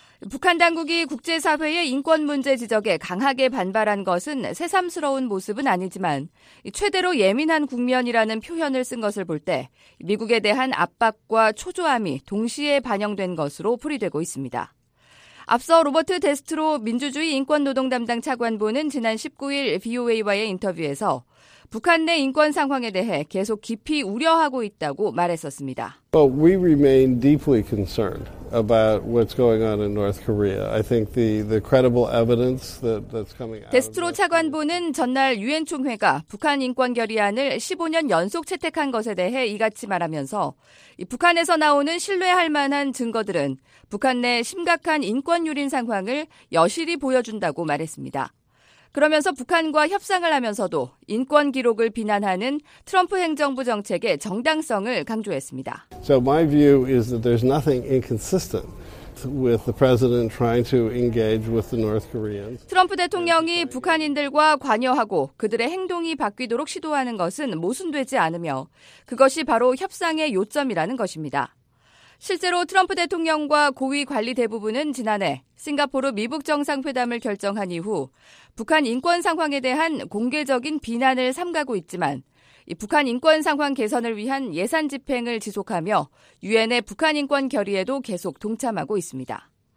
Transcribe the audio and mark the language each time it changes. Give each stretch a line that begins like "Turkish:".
Korean: 북한 당국이 국제사회의 인권 문제 지적에 강하게 반발한 것은 새삼스러운 모습은 아니지만 최대로 예민한 국면이라는 표현을 쓴 것을 볼 때 미국에 대한 압박과 초조함이 동시에 반영된 것으로 풀이되고 있습니다. 앞서 로버트 데스트로 민주주의 인권노동 담당 차관보는 지난 19일 VOA와의 인터뷰에서 북한 내 인권 상황에 대해 계속 깊이 우려하고 있다고 말했었습니다.
English: Well, we remain deeply concerned about what's going on in North Korea. I think the credible evidence that's coming out.
Korean: 데스트로 차관보는 전날 유엔 총회가 북한 인권 결의안을 15년 연속 채택한 것에 대해 이같이 말하면서 북한에서 나오는 신뢰할 만한 증거들은 북한 내 심각한 인권 유린 상황을 여실히 보여준다고 말했습니다. 그러면서 북한과 협상을 하면서도 인권 기록을 비난하는 트럼프 행정부 정책의 정당성을 강조했습니다.
English: So my view is that there's nothing inconsistent with the president trying to engage with the North Koreans.
Korean: 트럼프 대통령이 북한인들과 관여하고 그들의 행동이 바뀌도록 시도하는 것은 모순되지 않으며 그것이 바로 협상의 요점이라는 것입니다. 실제로 트럼프 대통령과 고위 관리 대부분은 지난해 싱가포르 미북 정상회담을 결정한 이후 북한 인권 상황에 대한 공개적인 비난을 삼가고 있지만 북한 인권 상황 개선을 위한 예산 집행을 지속하며 유엔의 북한 인권 결의에도 계속 동참하고 있습니다.